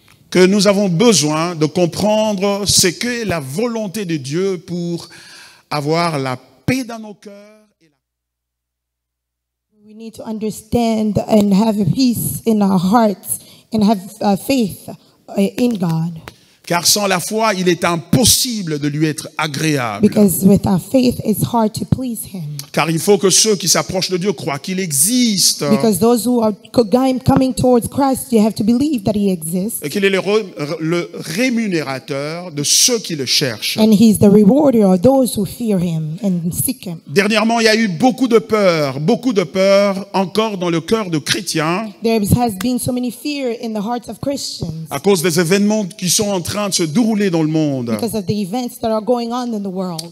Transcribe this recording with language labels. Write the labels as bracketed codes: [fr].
[fr] que nous avons besoin de comprendre ce qu'est la volonté de Dieu pour avoir la paix dans nos cœurs. Et la... [en] We need to understand and have peace in our hearts and have faith in God. [fr] Car sans la foi, il est impossible de lui être agréable. [en] Because without faith, it's hard to please him. [fr] Car il faut que ceux qui s'approchent de Dieu croient qu'il existe. [en] Because those who are coming towards Christ, you have to believe that he exists. [fr] Et qu'il est le rémunérateur de ceux qui le cherchent. [en] And he's the rewarder of those who fear him and seek him. [fr] Dernièrement, il y a eu beaucoup de peur encore dans le cœur de chrétiens. [en] There has been so many fear in the hearts of Christians. [fr] À cause des événements qui sont en train de se dérouler dans le monde. [en] Because of the events that are going on in the world.